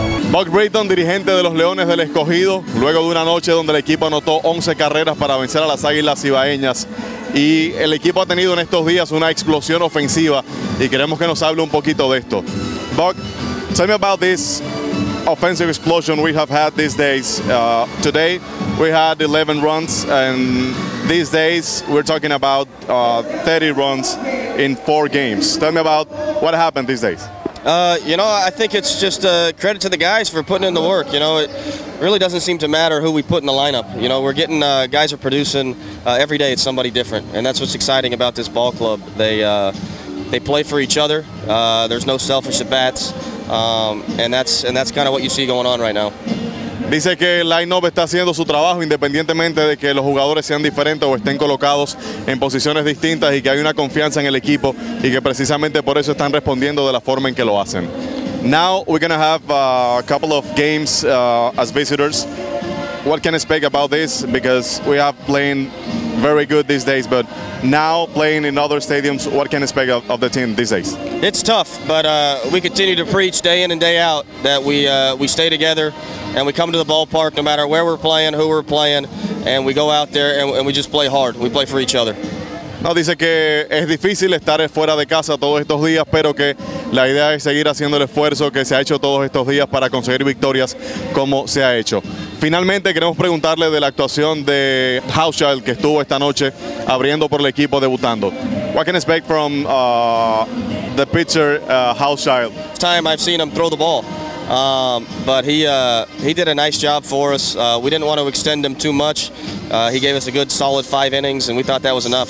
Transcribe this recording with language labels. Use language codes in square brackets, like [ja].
[es] Buck Brayton, dirigente de los Leones del Escogido, luego de una noche donde el equipo anotó 11 carreras para vencer a las Águilas Cibaeñas. Y el equipo ha tenido en estos días una explosión ofensiva y queremos que nos hable un poquito de esto. [en] Buck, tell me about this offensive explosion we have had these days. Today we had 11 runs and these days we're talking about 30 runs in 4 games. Tell me about what happened these days. You know, I think it's just a credit to the guys for putting in the work. You know, it really doesn't seem to matter who we put in the lineup. You know, we're getting guys are producing every day. It's somebody different, and that's what's exciting about this ball club. They play for each other. There's no selfish at bats, and that's kind of what you see going on right now. [es] Dice que el line-up está haciendo su trabajo independientemente de que los jugadores sean diferentes o estén colocados en posiciones distintas y que hay una confianza en el equipo y que precisamente por eso están respondiendo de la forma en que lo hacen. [en] Now we're going to have a couple of games as visitors. What can I speak about this? Because we have playing very good these days, but now playing in other stadiums, what can I speak of the team these days? It's tough, but we continue to preach day in and day out that we stay together. And we come to the ballpark no matter where we're playing, who we're playing, and we go out there and we just play hard. We play for each other. [es] No, dice que es difícil estar fuera de casa todos estos días, pero que la idea es seguir haciendo el esfuerzo que se ha hecho todos estos días para conseguir victorias como se ha hecho. Finalmente, queremos preguntarle de la actuación de Housechild, que estuvo esta noche abriendo por el equipo debutando. [en] What can I expect from the pitcher Housechild? It's time I've seen him throw the ball. But he did a nice job for us. We didn't want to extend him too much. He gave us a good solid 5 innings and we thought that was enough.